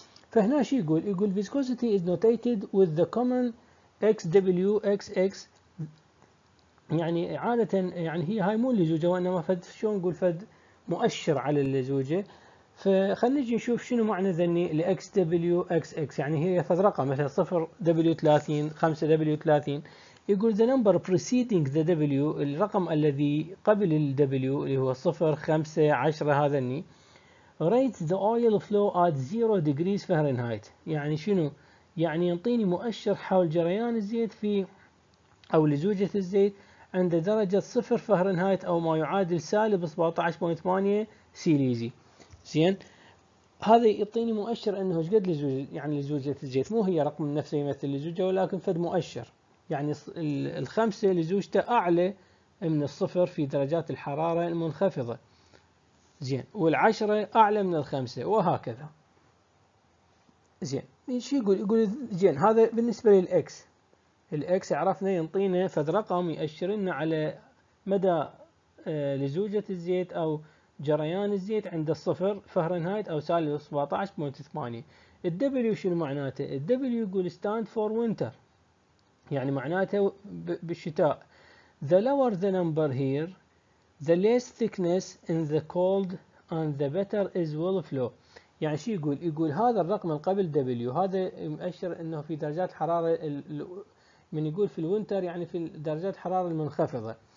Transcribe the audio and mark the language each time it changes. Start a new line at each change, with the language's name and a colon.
Arabic: فهنا شو يقول؟ يقول
English: viscosity is notated with the common XWXX،
Arabic: يعني عادة يعني هي هاي مو اللزوجة، وإنما فد شلون نقول فد مؤشر على اللزوجة. فخلنا نجي نشوف شنو معنى ذني ال XWXX، يعني هي فد رقم مثلا 0W30 5W30. يقول
English: the number preceding the W،
Arabic: الرقم الذي قبل ال W اللي هو 0 5 10 هذا الني،
English: rate the oil flow at 0 degrees Fahrenheit.
Arabic: يعني شنو؟ يعني ينطيني مؤشر حول جريان الزيت في أو لزوجة الزيت عند درجة 0 فهرنهايت أو ما يعادل سالب 17.8 سيليزي. زين، هذا يعطيني مؤشر أنه ايش قد لزوجة، يعني لزوجة الزيت، مو هي رقم نفسه يمثل لزوجة، ولكن فد مؤشر، يعني الخمسة لزوجته أعلى من الصفر في درجات الحرارة المنخفضة. زين، والعشرة أعلى من الخمسة، وهكذا. زين، من شي يقول زين، هذا بالنسبة للإكس. الإكس عرفنا ينطينا فد رقم يؤشر لنا على مدى لزوجة الزيت أو جريان الزيت عند الصفر فهرنهايت أو سالب 17.8. الدبليو شنو معناته؟ الدبليو يقول
English: stand for winter،
Arabic: يعني معناته بالشتاء.
English: The lower the number here, the less thickness in the cold and the better is will flow.
Arabic: يعني شو يقول؟ يقول هذا الرقم القبل W، هذا يؤشر انه في درجات حرارة من يقول في الوينتر، يعني في درجات حرارة المنخفضة.